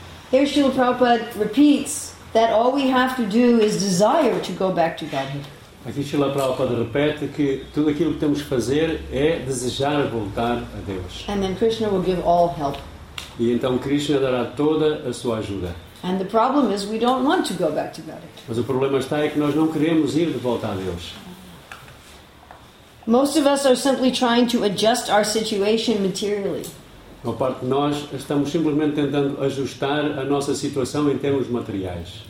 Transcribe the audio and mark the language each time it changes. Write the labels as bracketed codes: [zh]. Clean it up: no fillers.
[en] Here Srila Prabhupada repeats that all we have to do is desire to go back to Godhead. [pt] Aqui Srila Prabhupada repete que tudo aquilo que temos que fazer é desejar voltar a Deus. [en] And then Krishna will give all help. [pt] E então Krishna dará toda a sua ajuda. [en] And the problem is we don't want to go back to Godhead. [pt] Mas o problema está é que nós não queremos ir de volta a Deus. [en] Most of us are simply trying to adjust our situation materially. [pt] A parte de nós estamos simplesmente tentando ajustar a nossa situação em termos materiais.